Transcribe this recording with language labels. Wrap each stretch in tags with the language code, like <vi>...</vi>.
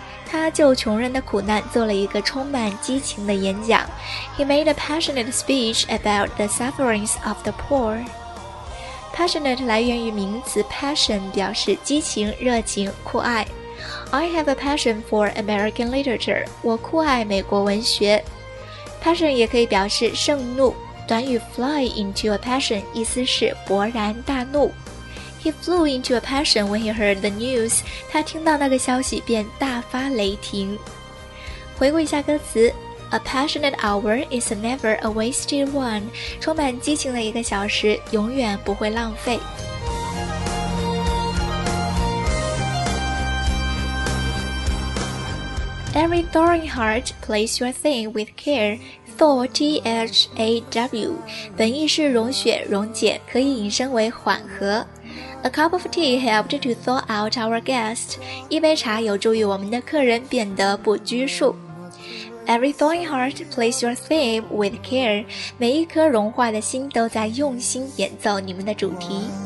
<zh>他就穷人的苦难做了一个充满激情的演讲。</zh> <en>He made a passionate speech about the sufferings of the poor.</en> <zh>Passionate 来源于名词 passion， 表示激情、热情、酷爱。</zh> <en>I have a passion for American literature.</en> <zh>我酷爱美国文学。 Passion 也可以表示盛怒，短语</zh> <en>fly into a passion</en> <zh>意思是勃然大怒。</zh> <en>He flew into a passion when he heard the news.</en> <zh>他听到那个消息便大发雷霆。回顾一下歌词，</zh> <en>A passionate hour is never a wasted one.</en> <zh>充满激情的一个小时永远不会浪费。</zh> <en>Every thawing heart, place your thing with care. Thaw, T-H-A-W.</en> <zh>本意是融雪、溶解，可以引申为缓和。</zh> <en>A cup of tea helped to thaw out our guest.</en> <zh>一杯茶有助于我们的客人变得不拘束。</zh> <en>Every thawing heart plays your theme with care.</en> <zh>每一颗融化的心都在用心演奏你们的主题。</zh>